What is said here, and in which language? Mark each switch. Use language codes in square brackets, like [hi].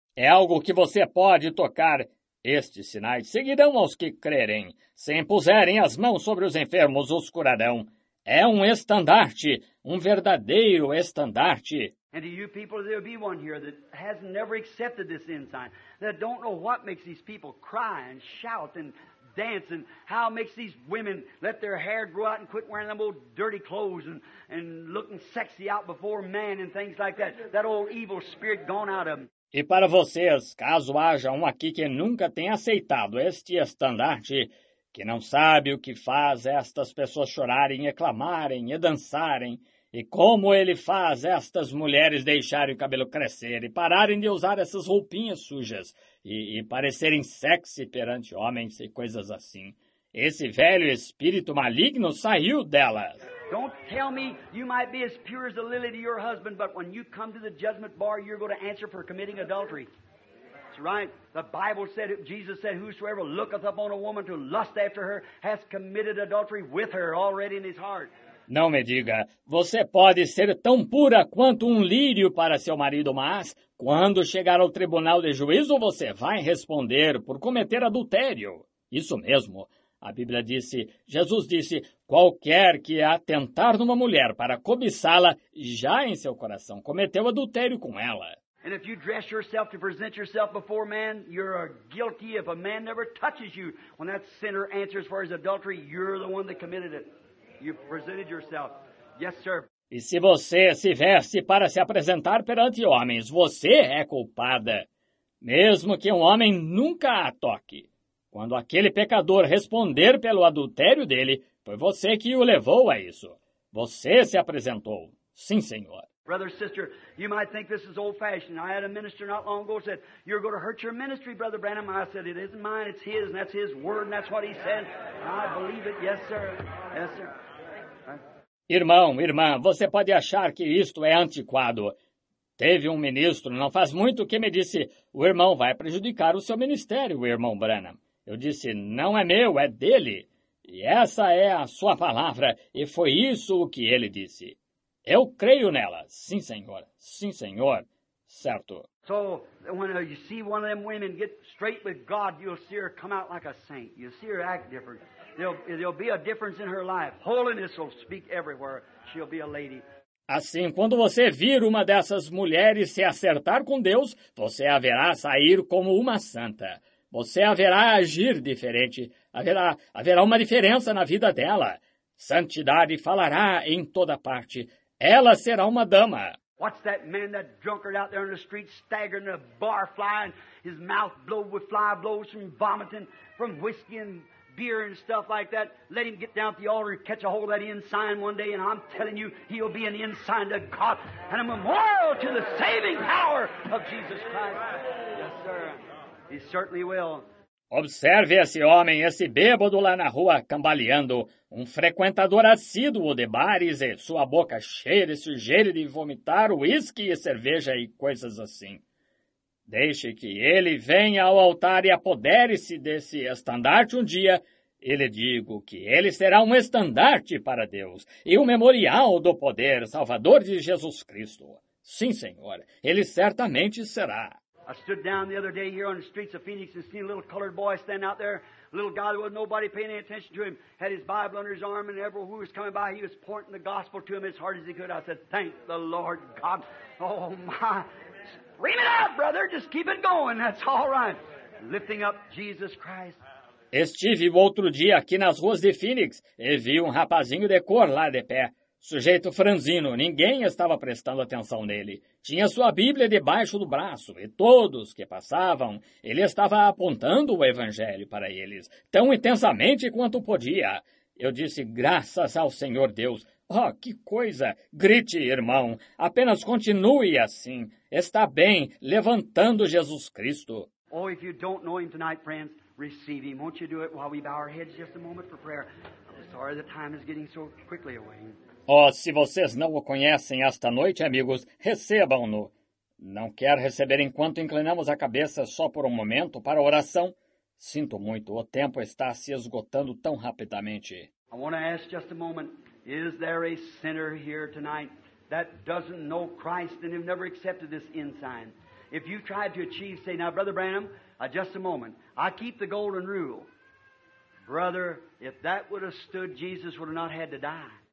[pt] É algo que você pode tocar. Estes sinais seguirão aos que crerem. Se impuserem as mãos sobre os enfermos, os curarão. É um estandarte, um verdadeiro estandarte. [en] And to you people, there'll be one here that has never accepted this ensign, that don't know what makes these people cry and shout and dance, and how makes these women let their hair grow out and quit wearing them old dirty clothes and looking sexy out before men and things like that. That old evil spirit gone out of them. [pt] E para vocês, caso haja um aqui que nunca tenha aceitado este estandarte, que não sabe o que faz estas pessoas chorarem e clamarem e dançarem, e como ele faz estas mulheres deixarem o cabelo crescer e pararem de usar essas roupinhas sujas e parecerem sexy perante homens e coisas assim, esse velho espírito maligno saiu delas. [en] Don't tell me you might be as pure as a lily to your husband, but when you come to the judgment bar, you're going to answer for committing adultery. That's right. The Bible said, Jesus said, whosoever looketh upon a woman to lust after her has committed adultery with her already in his heart. [pt] Não me diga, você pode ser tão pura quanto lírio para seu marido, mas quando chegar ao tribunal de juízo, você vai responder por cometer adultério. Isso mesmo. A Bíblia disse, Jesus disse, qualquer que atentar numa mulher para cobiçá-la, já em seu coração cometeu adultério com ela. [en] And if you dress yourself to present yourself before man, you're guilty. If a man never touches you, when that sinner answers for his adultery, you're the one that committed it. You presented yourself. Yes, sir. [pt] E se você se veste para se apresentar perante homens, você é culpada, mesmo que um homem nunca a toque. Quando aquele pecador responder pelo adultério dele, foi você que o levou a isso. Você se apresentou. Sim, Senhor. [en] Brother, sister, you might think this is old-fashioned. I had a minister not long ago said, you're going to hurt your ministry, Brother Branham. I said, it isn't mine, it's his, and that's his word, and that's what he said. I believe it. Yes, sir. Yes, sir. [pt] Irmão, irmã, você pode achar que isto é antiquado. Teve um ministro, não faz muito, que me disse, o irmão vai prejudicar o seu ministério, o irmão Branham. Eu disse, não é meu, é dele. E essa é a sua palavra, e foi isso o que ele disse. Eu creio nela. Sim, Senhor, certo. [en] So, when you see one of them women get straight with God, you'll see her come out like a saint. You'll see her act different. There'll be a difference in her life. Holiness will speak everywhere. She'll be a lady. [pt] Assim, quando você vir uma dessas mulheres se acertar com Deus, você a verá sair como uma santa. Você haverá agir diferente, haverá uma diferença na vida dela. Santidade falará em toda parte. Ela será uma dama. [en] What's that man, that drunkard out there on the street, staggering in a bar, flying, his mouth blowed with fly blows from vomiting, from whiskey and beer and stuff like that? Let him get down at the altar and catch a hold of that ensign one day, and I'm telling you, he'll be an ensign to God and a memorial to the saving power of Jesus Christ. Yes, sir. He certainly will. [pt] Observe esse homem, esse bêbado lá na rua, cambaleando, um frequentador assíduo de bares e sua boca cheia de sujeira de vomitar, uísque e cerveja e coisas assim. Deixe que ele venha ao altar e apodere-se desse estandarte um dia. Ele digo que ele será um estandarte para Deus e um memorial do poder salvador de Jesus Cristo. Sim, Senhor, ele certamente será. [en] I stood down the other day here on the streets of Phoenix and seen a little colored boy stand out there, a little guy that wasn't nobody paying any attention to him, had his Bible under his arm, and everyone who was coming by, he was pointing the gospel to him as hard as he could. I said, thank the Lord God. Oh, my. Scream it out, brother. Just keep it going. That's all right. Lifting up Jesus Christ. [pt] Estive o outro dia aqui nas ruas de Phoenix e vi rapazinho de cor lá de pé. Sujeito franzino, ninguém estava prestando atenção nele. Tinha sua Bíblia debaixo do braço e todos que passavam, ele estava apontando o Evangelho para eles, tão intensamente quanto podia. Eu disse, graças ao Senhor Deus. Oh, que coisa! Grite, irmão. Apenas continue assim. Está bem, levantando Jesus Cristo. [en] Oh, if you don't know him tonight, friends, receive him. Won't you do it while we bow our heads just a moment for prayer? I'm sorry the time is getting so quickly away. [pt] Oh, se vocês não o conhecem esta noite, amigos, recebam-no. Não quer receber enquanto inclinamos a cabeça só por um momento para a oração? Sinto muito, o tempo está se esgotando tão rapidamente. [en] I want to ask just a moment, is there a sinner here tonight that doesn't know Christ and have never accepted this ensign? If you tried to achieve, say, now, Brother Branham, just a moment, I keep the golden rule. Brother, if that would have stood, Jesus would have not had to die.